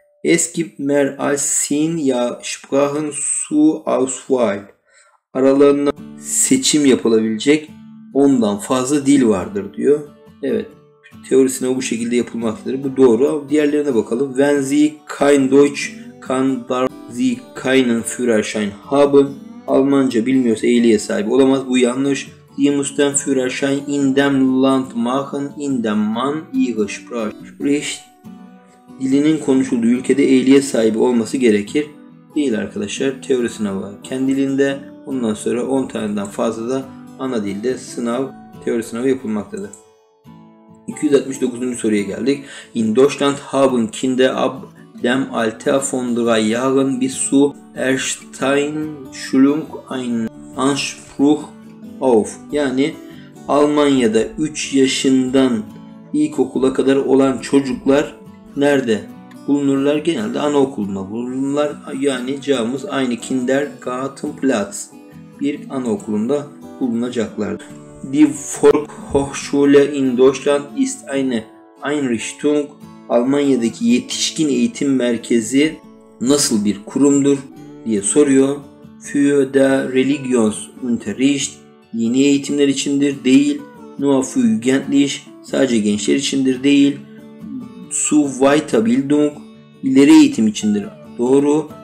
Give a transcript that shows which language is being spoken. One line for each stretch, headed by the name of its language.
German: Es gibt mehr als 10 Sprachen zur Auswahl.
Turkish: Aralarında seçim yapılabilecek ondan fazla dil vardır diyor. Evet, teori sınavı bu şekilde yapılmaktadır. Bu doğru. Diğerlerine bakalım.
German: Wenn Sie kein Deutsch kann, darf Sie keinen Führerschein haben.
Turkish: Almanca bilmiyorsa ehliyet sahibi olamaz. Bu yanlış.
German: Sie muss den Führerschein in dem Land machen, in dem man ihre Sprache spricht.
Turkish: Dilinin konuşulduğu ülkede ehliyet sahibi olması gerekir. Değil arkadaşlar. Teori sınavı kendi dilinde. Ondan sonra 10 taneden fazla da ana dilde sınav, teori sınavı yapılmaktadır. 269. soruya geldik.
German: In Deutschland haben Kinder ab dem Alter von 3 Jahren bis zur Erstaufschulung einen Anspruch auf.
Turkish: Yani Almanya'da 3 yaşından ilkokula kadar olan çocuklar nerede bulunurlar. Genelde anaokulunda bulunurlar. Yani cevabımız aynı Kindergartenplatz bir anaokulunda bulunacaklar.
German: Die Volkshochschule in Deutschland ist eine Einrichtung.
Turkish: Almanya'daki yetişkin eğitim merkezi nasıl bir kurumdur diye soruyor.
German: Für der Religionsunterricht,
Turkish: yeni eğitimler içindir değil.
German: Nur für Jugendliche,
Turkish: sadece gençler içindir değil.
German: Zu Weiterbildung,
Turkish: ileri eğitim içindir doğru.